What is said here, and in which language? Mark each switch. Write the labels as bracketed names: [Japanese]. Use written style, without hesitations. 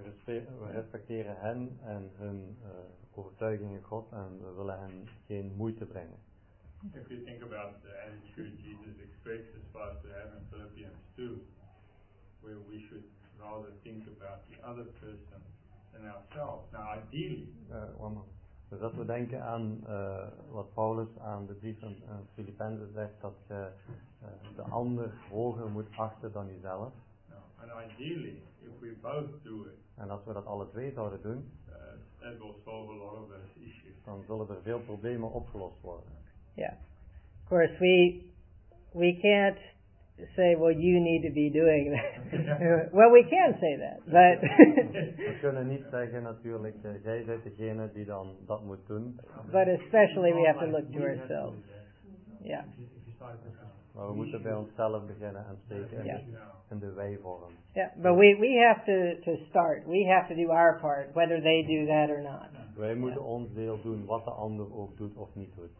[Dutch] We respecteren hen en hun overtuigingen God en we willen hen geen moeite brengen. [English] If you think about the attitude Jesus expects us to have in Philippians 2, where we should rather think about the other person than ourselves. Now ideally, [Dutch] dus als we denken aan wat Paulus aan de brief van Filippenzen zegt, dat je de ander hoger moet achten dan jezelf. [English] And ideally, if we both do it, [Dutch] en als we dat alle twee zouden doen, [English] that will solve a lot of those issues. [Dutch] Dan zullen er veel problemen opgelost worden. [English] Yeah. Of course, we can't say, well, you need to be doing that. Yeah. Well, we can say that, but... [Dutch] We kunnen niet zeggen natuurlijk, jij bent degene die dan dat moet doen. [English] But especially we have to look to ourselves. Yeah. [Dutch] Maar we moeten bij onszelf beginnen en steken in de wijvorm. [English] Yeah, but we have to start. We have to do our part, whether they do that or not. [Dutch] Wij moeten ons deel doen, wat de ander ook doet of niet doet.